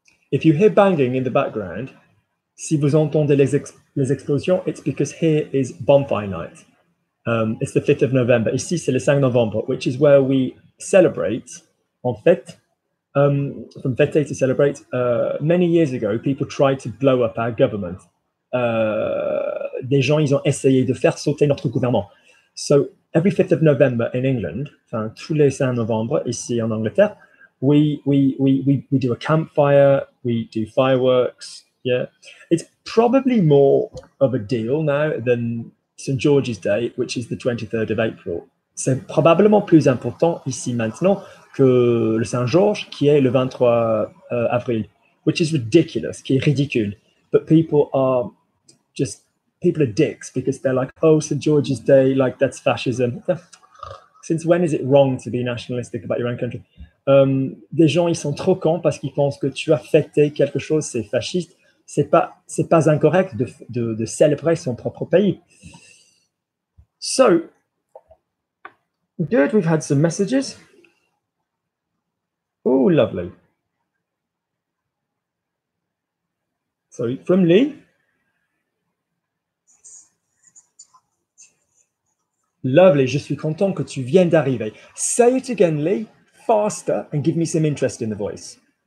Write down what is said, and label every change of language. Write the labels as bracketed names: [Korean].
[English] If you hear banging in the background, [French] si vous entendez les explosions, [English] it's because here is bonfire night. It's the 5th of November. [French] Ici, c'est le 5 novembre, [English] which is where we celebrate, [French] en fait, [English] from fête to celebrate. Many years ago, people tried to blow up our government. [French] Des gens, ils ont essayé de faire sauter notre gouvernement. [English] So every 5th of November in England, [French] enfin, tous les 5 novembre, ici en Angleterre, [English] we do a campfire, we do fireworks. Yeah, it's probably more of a deal now than St. George's Day, which is the 23rd of April. [French] C'est probablement plus important ici maintenant que le Saint-Georges, qui est le 23 avril, [English] which is ridiculous, [French] qui est ridicule. [English] But people are dicks because they're like, oh, St. George's Day, like that's fascism. Since when is it wrong to be nationalistic about your own country? [French] Des gens, ils sont trop cons parce qu'ils pensent que tu as fêté quelque chose, c'est fasciste. C'est pas incorrect de célébrer son propre pays. [English] So, good, we've had some messages. Oh, lovely. So, from Lee. Lovely, [French] je suis content que tu viennes d'arriver. [English] Say it again, Lee, faster, and give me some interest in the voice.